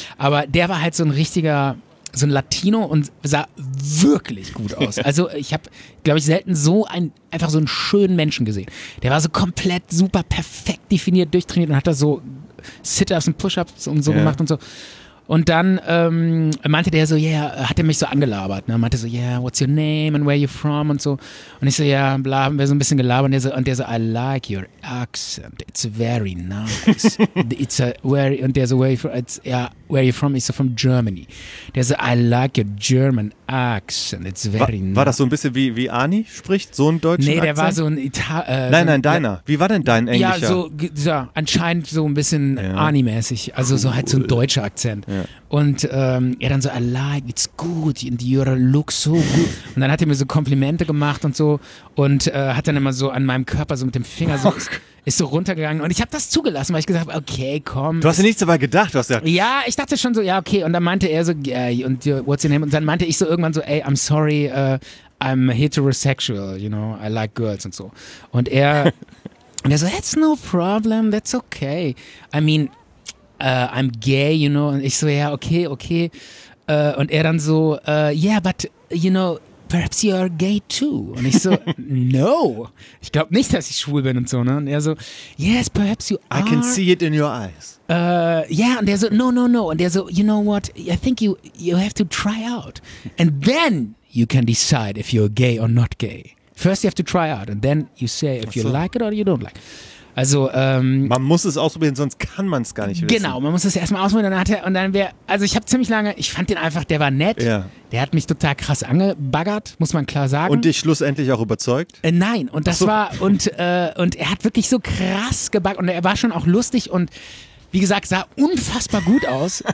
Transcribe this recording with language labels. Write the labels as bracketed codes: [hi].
[de] Aber der war halt so ein richtiger, so ein Latino und sah wirklich gut aus. Also ich habe, glaube ich, selten so einen, einfach so einen schönen Menschen gesehen. Der war so komplett super perfekt definiert, durchtrainiert und hat da so Sit-ups und Push-ups und so gemacht und so. Und dann meinte der so, yeah, hat er mich so angelabert. Ne? Meinte so, [en] yeah, what's your name and where are you from [de] und so. Und ich so, ja, bla, haben wir so ein bisschen gelabert. Und der so, [en] I like your accent. It's very nice. It's a, where, [de] und der so, [en] where are you from? It's, yeah, where are you from? [de] Ich so, [en] from Germany. [de] Der so, [en] I like your German accent. It's very [de] war, [en] nice. [de] War das so ein bisschen wie Ani spricht? So ein deutscher nee, Akzent? Nee, der war so ein Nein, deiner. Wie war denn dein Englischer? Ja, so, ja, anscheinend so ein bisschen Ani-mäßig. Also cool. So halt so ein deutscher Akzent. Ja. Und er dann so, [en] I like, it's good, and you look so good. [de] Und dann hat er mir so Komplimente gemacht und so und hat dann immer so an meinem Körper so mit dem Finger so, ist so runtergegangen. Und ich habe das zugelassen, weil ich gesagt habe, okay, komm. Du hast dir nichts dabei gedacht, du hast gesagt. Ja, ich dachte schon so, ja, okay. Und dann meinte er so, yeah, und [en] what's your name? [de] Und dann meinte ich so irgendwann so, ey, [en] I'm sorry, I'm heterosexual, you know, I like girls [de] und so. Und er, und er so, [en] that's no problem, that's okay. I mean, I'm gay, you know, [de] und ich so, ja, okay, und er dann so, [en] yeah, but, you know, perhaps you're gay too, [de] und ich so, [en] no, [de] ich glaube nicht, dass ich schwul bin und so, ne, und er so, [en] yes, perhaps you are. I can see it in your eyes. Yeah, [de] und er so, [en] no, und er so, you know what, I think you have to try out, and then you can decide if you're gay or not gay. First you have to try out, and then you say if you like it or you don't like it. [de] Also, man muss es ausprobieren, sonst kann man es gar nicht wissen. Genau, man muss es erstmal ausprobieren. Dann hat er, und dann wäre, also ich habe ziemlich lange, ich fand den einfach, der war nett. Ja. Der hat mich total krass angebaggert, muss man klar sagen. Und dich schlussendlich auch überzeugt? Nein, und das war, und er hat wirklich so krass gebaggert. Und er war schon auch lustig und, wie gesagt, sah unfassbar gut aus.